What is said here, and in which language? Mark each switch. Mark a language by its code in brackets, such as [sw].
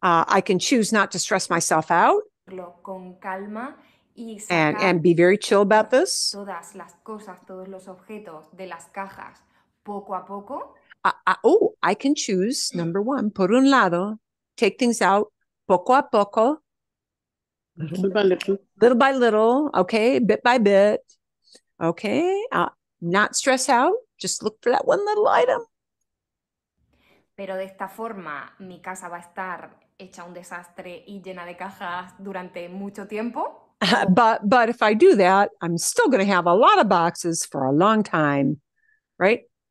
[en] I can choose not to stress myself out [es] con calma y sacar [en] and be very chill about this. [es] Todas las cosas, todos los objetos de las cajas, poco a poco. [en] I can choose, number one, por un lado, take things out, poco a poco, little by little, little by little, okay, bit by bit, okay, not stress out, just look for that one little item. [es] Pero de esta forma, mi casa va a estar hecha un desastre y llena de cajas durante mucho tiempo. [en] But if I do that, I'm still going to have a lot of boxes for a long time, right?